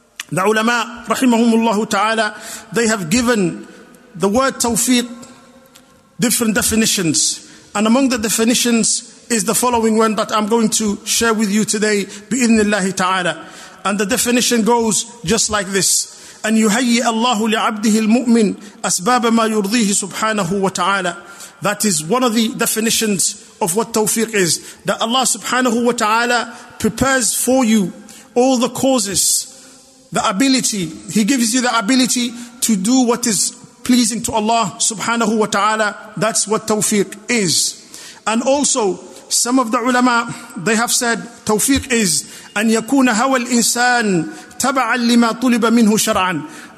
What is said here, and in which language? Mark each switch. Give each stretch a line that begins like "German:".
English: The ulama, rahimahumullahu ta'ala, they have given the word tawfiq different definitions. And among the definitions is the following one that I'm going to share with you today, bi'idhnillahi ta'ala. And the definition goes just like this.
Arabic: أن يهيئ الله لعبده المؤمن أسباب ما يرضيه سبحانه وتعالى.
English: That is one of the definitions of what tawfiq is. That Allah subhanahu wa ta'ala prepares for you all the causes, the ability. He gives you the ability to do what is pleasing to Allah subhanahu wa ta'ala. That's what tawfiq is. And also, some of the ulama, they have said tawfiq is
Arabic: أن يكون هوى الإنسان تبعاً لما طلب منه شرعاً.